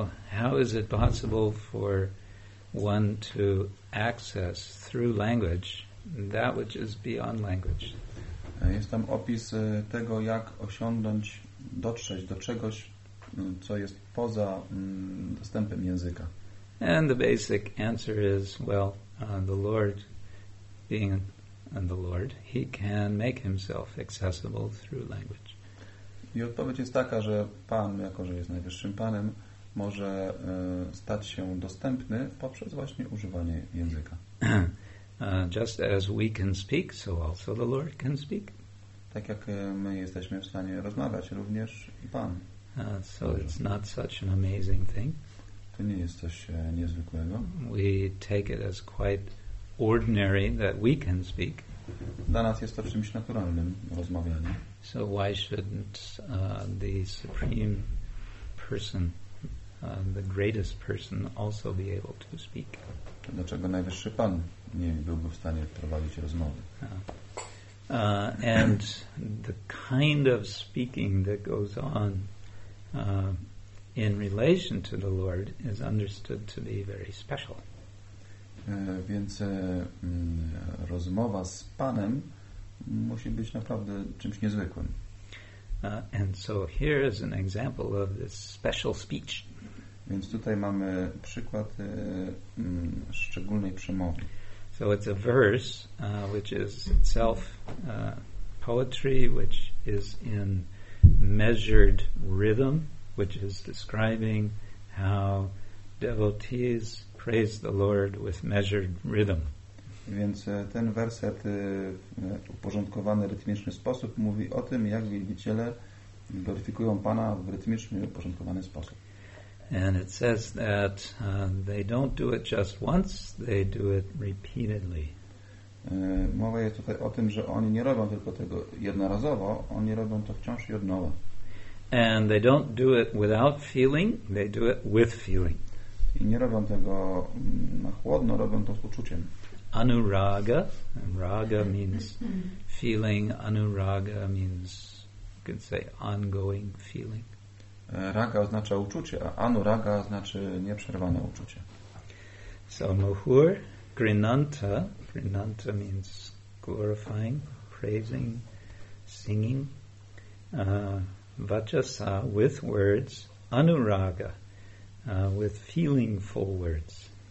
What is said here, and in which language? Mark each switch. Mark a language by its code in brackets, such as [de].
[en] How is it possible for one to access through language that which is beyond language? [pl] Jest tam opis tego, jak osiągnąć, dotrzeć do czegoś, co jest poza dostępem języka. [en] And the basic answer is, well, the Lord, being the Lord, he can make himself accessible through language. [pl] I odpowiedź jest taka, że Pan, jako że jest najwyższym Panem, może stać się dostępny poprzez właśnie używanie języka. [en] Just as we can speak, so also the Lord can speak. [pl] Tak jak my jesteśmy w stanie rozmawiać, również i Pan. [en] So it's not such an amazing thing. [pl] To nie jest coś niezwykłego. [en] We take it as quite ordinary that we can speak. [pl] Dla nas jest to czymś naturalnym, rozmawianie. [en] So why shouldn't the supreme person, the greatest person, also be able to speak? [pl] Dlaczego najwyższy Pan nie byłby w stanie prowadzić rozmowy. [en] And the kind of speaking that goes on in relation to the Lord is understood to be very special. [pl] Więc rozmowa z Panem musi być naprawdę czymś niezwykłym. [en] And so here is an example of this special speech. [pl] Więc tutaj mamy przykład szczególnej przemowy. [en] So it's a verse which is itself poetry, which is in measured rhythm, which is describing how devotees praise the Lord with measured rhythm. [pl] Więc ten werset w uporządkowany rytmiczny sposób mówi o tym, jak wielbiciele gloryfikują Pana w rytmiczny, uporządkowany sposób. [en] And it says that they don't do it just once, they do it repeatedly. [pl] Mowa jest tutaj o tym, że oni nie robią tylko tego jednorazowo, oni robią to wciąż i od nowa. [en] And they don't do it without feeling, they do it with feeling. [pl] I nie robią tego na chłodno, robią to z uczuciem. [en] Anuraga, raga means feeling, anuraga means, you could say, ongoing feeling. [pl] Raga oznacza uczucie, a anuraga znaczy nieprzerwane uczucie. [en] So muhur, grinanta, grinanta means glorifying, praising, singing. Vachasa, with words, anuraga, with feelingful words.